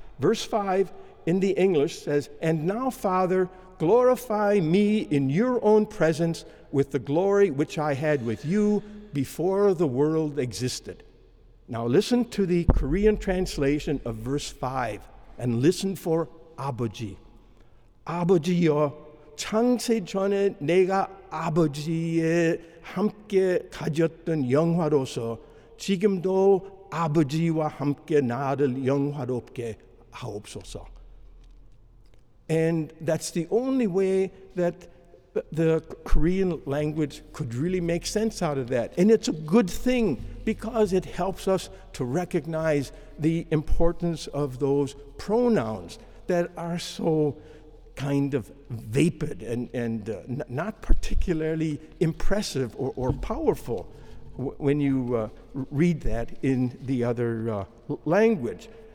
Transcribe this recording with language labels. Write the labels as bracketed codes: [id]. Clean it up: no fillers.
[en] Verse 5 in the English says, "And now, Father, glorify me in your own presence with the glory which I had with you before the world existed." Now, listen to the Korean translation of verse 5 and listen for abuji. [ko] 아버지여, 창세 전에 내가 아버지의 함께 가졌던 영화로서 지금도 아버지와 함께 나를 영화롭게 하옵소서. [en] And that's the only way that the Korean language could really make sense out of that. And it's a good thing because it helps us to recognize the importance of those pronouns that are so kind of vapid and not particularly impressive or powerful when you read that in the other language.